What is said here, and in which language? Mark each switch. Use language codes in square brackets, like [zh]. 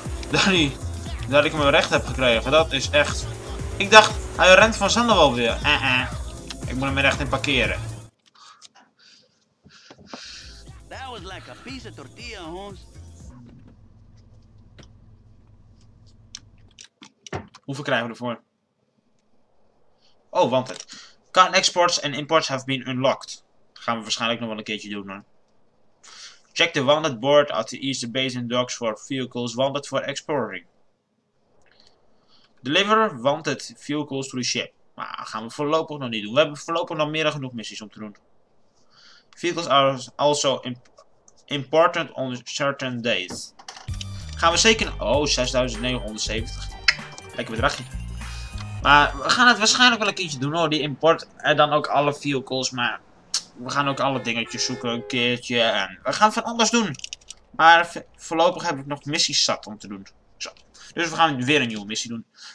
[nl] Danny, dat ik mijn recht heb gekregen, dat is echt... Ik dacht, hij rent vanzelf alweer. Ik moet hem er echt in parkeren. [en] That was like a piece of tortilla, Holmes. [nl] Hoeveel krijgen we ervoor? Oh, want het. [en] Car exports and imports have been unlocked. [nl] Dat gaan we waarschijnlijk nog wel een keertje doen, man. [en] Check the wanted board at the Easter Basin Docks for vehicles wanted for exporting. Deliver wanted vehicles to the ship. [nl] Maar dat gaan we voorlopig nog niet doen. We hebben voorlopig nog meer dan genoeg missies om te doen. [en] Vehicles are also important on certain days. [nl] Gaan we zeker... Oh, 6970. Lekker bedragje. Maar we gaan het waarschijnlijk wel een keertje doen hoor. Die import en dan ook alle vehicles. Maar we gaan ook alle dingetjes zoeken een keertje. En we gaan van alles doen. Maar voorlopig heb ik nog missies zat om te doen. Zo. Dus we gaan weer een nieuwe missie doen.